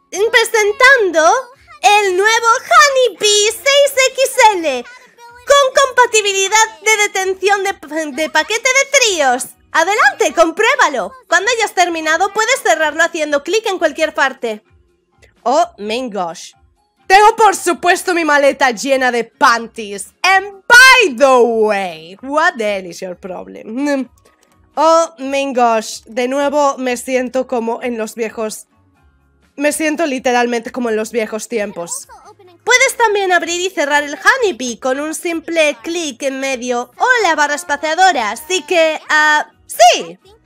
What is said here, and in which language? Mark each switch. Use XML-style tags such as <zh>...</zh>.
<es>presentando el nuevo Honeybee 6XL con compatibilidad de detención de paquete de tríos. ¡Adelante, compruébalo! Cuando hayas terminado, puedes cerrarlo haciendo clic en cualquier parte.</es> <en>¡Oh, my gosh!</en> <es>Tengo por supuesto mi maleta llena de panties.</es> <en>¡And bye! By the way, what the hell is your problem? Oh my gosh,</en> <es>de nuevo me siento como en los viejos... Me siento literalmente como en los viejos tiempos. Puedes también abrir y cerrar el honeybee con un simple clic en medio o la barra espaciadora, así que, ¡sí!</es>